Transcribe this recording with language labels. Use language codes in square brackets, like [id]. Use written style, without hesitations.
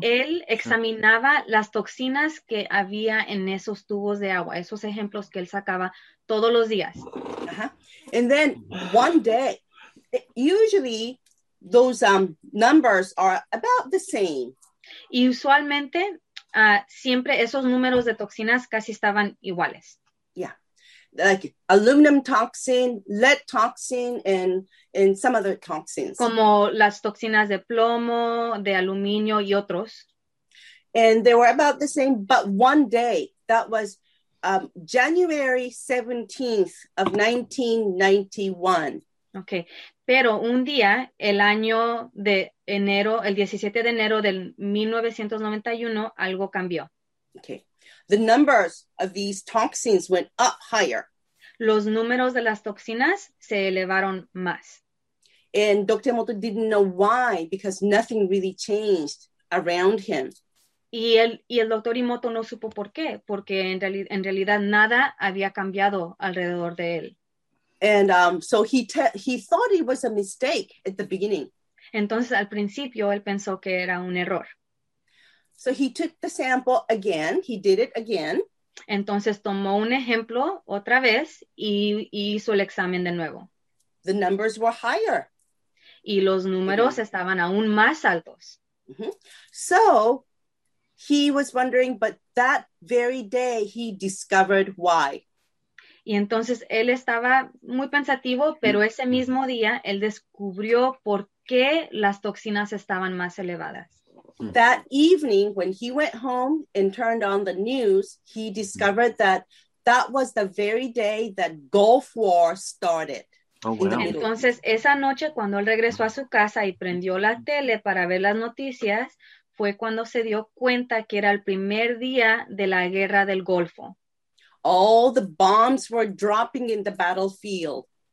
[es] Él examinaba las toxinas que había en esos tubos de agua, esos ejemplos que él sacaba todos los días. Uh-huh. [en] And then one day, usually those numbers are about the same. [es] Y usualmente, siempre esos números de toxinas casi estaban iguales. Yeah. [en] Like aluminum toxin, lead toxin, and some other toxins. [es] Como las toxinas de plomo, de aluminio y otros. [en] And they were about the same, but one day, that was January 17th of 1991. Okay. [es] Pero un día, el año de enero, el 17 de enero del 1991, algo cambió. Okay. [en] The numbers of these toxins went up higher. [es] Los números de las toxinas se elevaron más. [en] And Dr. Emoto didn't know why, because nothing really changed around him. [es] Y el Dr. Emoto no supo por qué, porque en realidad nada había cambiado alrededor de él. [en] And so he thought it was a mistake at the beginning. [es] Entonces, al principio, él pensó que era un error. [en] So he took the sample again. He did it again. [es] Entonces, tomó un ejemplo otra vez y hizo el examen de nuevo. [en] The numbers were higher. [es] Y los números, mm-hmm. estaban aún más altos. Mm-hmm. [en] So he was wondering, but that very day he discovered why. [es] Y entonces él estaba muy pensativo, pero ese mismo día él descubrió por qué las toxinas estaban más elevadas. [en] That evening, when he went home and turned on the news, he discovered that that was the very day that Gulf War started. Oh, wow. [es] Entonces esa noche, cuando él regresó a su casa y prendió la tele para ver las noticias, fue cuando se dio cuenta que era el primer día de la guerra del Golfo. [en] All the bombs were dropping in the battlefield.